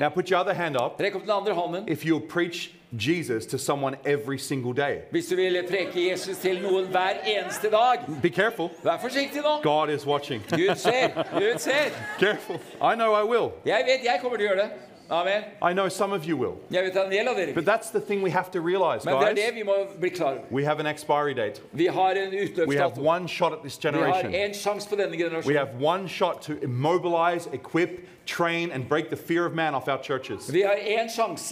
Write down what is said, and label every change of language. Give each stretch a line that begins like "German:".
English: Now put your other hand up.
Norwegian: Rekk opp den andre hånden.
English: If you'll preach Jesus to someone every single day.
Norwegian: Hvis du vil preke Jesus til noen hver eneste dag.
English: Be careful.
Norwegian: Vær forsiktig nå.
English: God is watching.
Norwegian: Gud ser.
English: Careful. I know I will.
Norwegian: Jeg vet jeg kommer til å gjøre det.
English: Amen. I know some of you will. But that's the thing we have to realize, guys. We have an expiry date. We have one shot at this generation. We have one shot to immobilize, equip, train, and break the fear of man off our churches. One shot.